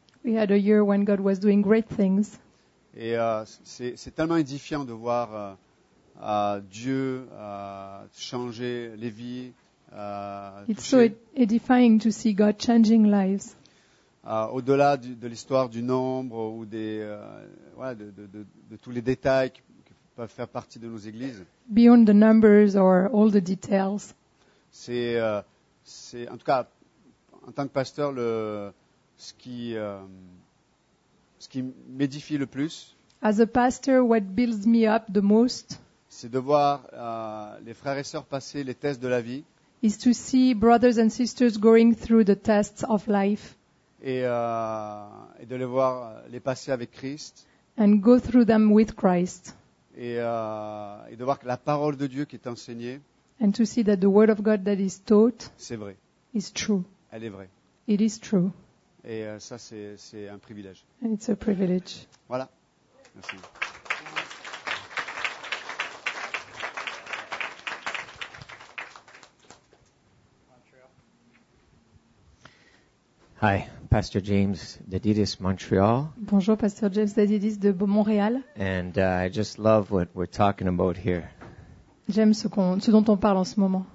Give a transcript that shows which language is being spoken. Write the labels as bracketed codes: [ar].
[en] We had a year when God was doing great things. [fr] Et c'est tellement édifiant de voir Dieu changer les vies. [en] It's so edifying to see God changing lives. [fr] Au-delà de l'histoire du nombre ou de tous les détails qui peuvent faire partie de nos églises. [en] Beyond the numbers or all the details. [fr] C'est en tout cas en tant que pasteur ce qui m'édifie le plus. [en] As a pastor, what builds me up the most. [fr] C'est de voir les frères et sœurs passer les tests de la vie. [en] Is to see brothers and sisters going through the tests of life. [fr] Et de les voir les passer avec Christ. [en] And go through them with Christ. [fr] Et de voir que la parole de Dieu qui est enseignée. [en] And to see that the word of God that is taught. [fr] C'est vrai. [en] Is true. [fr] Elle est vraie. [en] It is true. [fr] Et ça c'est un privilège. [en] And it's a privilege. [fr] Voilà. Merci. [en] Hi, Pastor James Dadidis, Montreal. [fr] Bonjour, Pasteur James Dadidis de Montréal. [en] And I just love what we're talking about here. [fr] J'aime ce dont on parle en ce moment.